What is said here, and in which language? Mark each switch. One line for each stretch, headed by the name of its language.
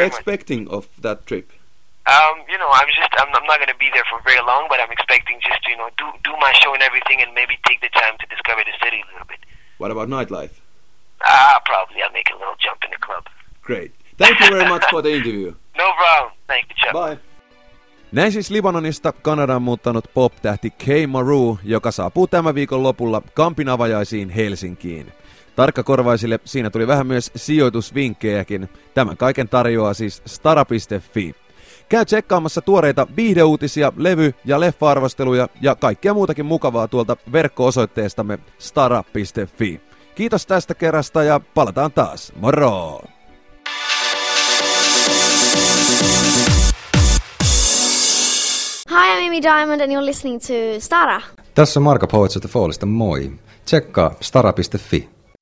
English: expecting much. Of that trip? I'm not going to be there for very long, but I'm expecting just to do my show and everything, and maybe take the time to discover the city a little bit. What about nightlife? Probably I'll make a little jump in the club. Great. Thank you very much for the interview. No problem. Thank you, Chuck. Bye.
Finnish: Näin siis Libanonista Kanadaan muuttanut pop-tähti K-Maru, joka saapuu tämän viikon lopulla Kampin avajaisiin Helsinkiin. Tarkkakorvaisille siinä tuli vähän myös sijoitusvinkkejäkin. Tämän kaiken tarjoaa siis Stara.fi. Käy tsekkaamassa tuoreita viihdeuutisia, levy- ja leffa-arvosteluja ja kaikkea muutakin mukavaa tuolta verkko-osoitteestamme Stara.fi. Kiitos tästä kerrasta ja palataan taas. Moro!
English: Hi, I'm Amy Diamond and you're listening to Stara.
Finnish: Tässä on Marko Poets of the Fallista. Moi. Tsekkaa stara.fi.